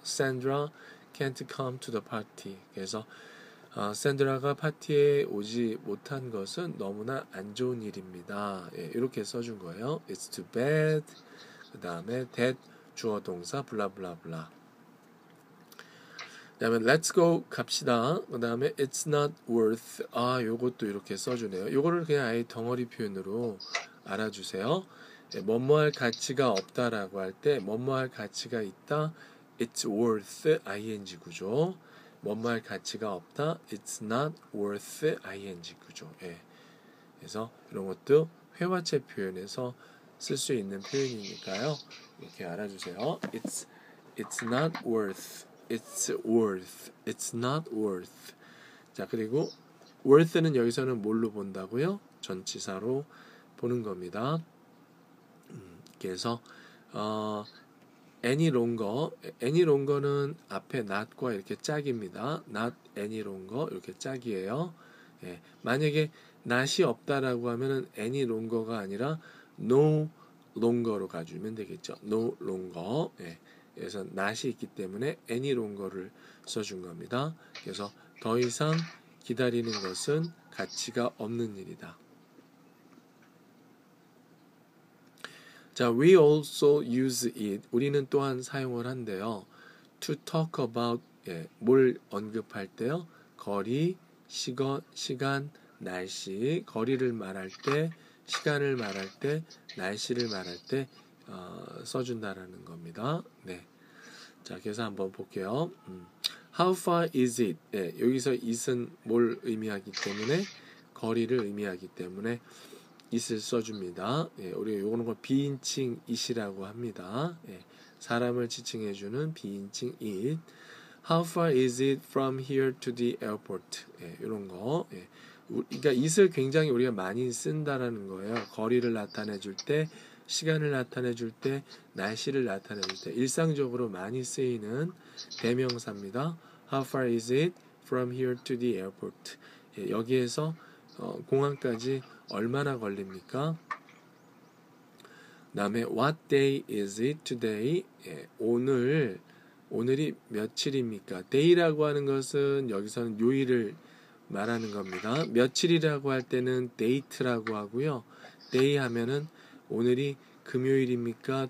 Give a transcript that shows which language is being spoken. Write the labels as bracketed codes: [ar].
[en] Sandra can't come to the party. [ko] 그래서 샌드라가 파티에 오지 못한 것은 너무나 안 좋은 일입니다. 예, 이렇게 써준 거예요. [en] It's too bad. [ko] 그 다음에 that 주어 동사 블라블라블라. 그 다음에 [en] let's go [ko] 갑시다. 그 다음에 [en] it's not worth. [ko] 아, 요것도 이렇게 써주네요. 요거를 그냥 아예 덩어리 표현으로 알아주세요. 예, 뭐뭐 할 가치가 없다라고 할 때 뭐뭐 할 가치가 있다. [en] It's worth ing 구조. [ko] 뭐뭐 할 가치가 없다. [en] It's not worth ing 구조. [ko] 예. 그래서 이런 것도 회화체 표현에서 쓸 수 있는 표현이니까요. 이렇게 알아주세요. [en] It's not worth. It's worth. It's not worth. [ko] 자, 그리고 worth는 여기서는 뭘로 본다고요? 전치사로 보는 겁니다. 그래서 any longer는 앞에 not과 이렇게 짝입니다. not any longer 이렇게 짝이에요. 예, 만약에 not이 없다라고 하면은 any longer가 아니라 no longer로 가주면 되겠죠. [en] no longer. [ko] 예, 그래서 not이 있기 때문에 any longer를 써준 겁니다. 그래서 더 이상 기다리는 것은 가치가 없는 일이다. [en] 자, we also use it. [ko] 우리는 또한 사용을 한대요. [en] To talk about, [ko] 예, 뭘 언급할 때요. 거리, 시간, 날씨. 거리를 말할 때, 시간을 말할 때, 날씨를 말할 때 써준다라는 겁니다. 네. 자, 그래서 한번 볼게요. [en] How far is it? [ko] 예, 여기서 it은 뭘 의미하기 때문에 거리를 의미하기 때문에 it을 써줍니다. 예, 우리가 요거는 비인칭 it이라고 합니다. 예, 사람을 지칭해주는 비인칭 it. [en] How far is it from here to the airport? [ko] 예, 요런 거. 예, 그러니까 it을 굉장히 우리가 많이 쓴다라는 거예요. 거리를 나타내줄 때, 시간을 나타내줄 때, 날씨를 나타내줄 때 일상적으로 많이 쓰이는 대명사입니다. [en] How far is it from here to the airport? [ko] 예, 여기에서 공항까지 얼마나 걸립니까? 다음에 [en] What day is it today? [ko] 예, 오늘이 며칠입니까? Day라고 하는 것은 여기서는 요일을 말하는 겁니다. 며칠이라고 할 때는 date라고 하고요. Day 하면은 오늘이 금요일입니까?